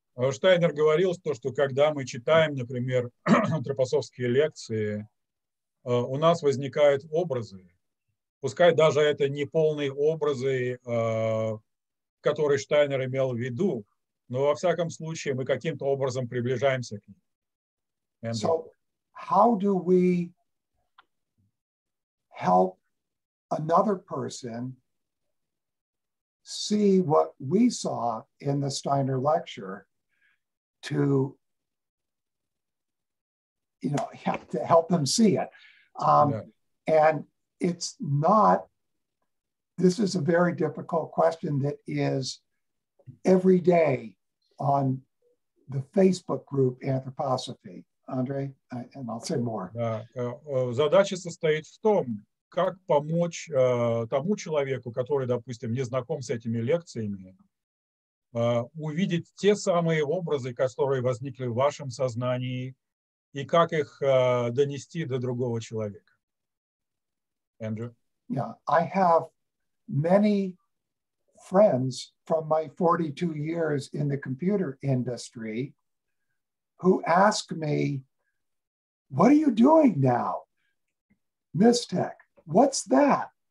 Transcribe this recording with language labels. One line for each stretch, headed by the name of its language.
Russian: Штайнер говорил, что когда мы читаем, например, антропософские лекции, у нас возникают образы. Пускай даже это не полные образы, которые Штайнер имел в виду, но во всяком случае мы каким-то образом приближаемся к ним.
English: And so, how do we help another person see what we saw in the Steiner lecture to, you know, have to help them see it? It's not, this is a very difficult question that is every day on the Facebook group Anthroposophy. Andre, and I'll say more.
Russian: Задача состоит в том, как помочь тому человеку, который, допустим, не знаком с этими лекциями, увидеть те самые образы, которые возникли в вашем сознании, и как их донести до другого человека.
English: Andrew? Yeah, I have many friends from my 42 years in the computer industry who ask me, what are you doing now? Mystech, what's that?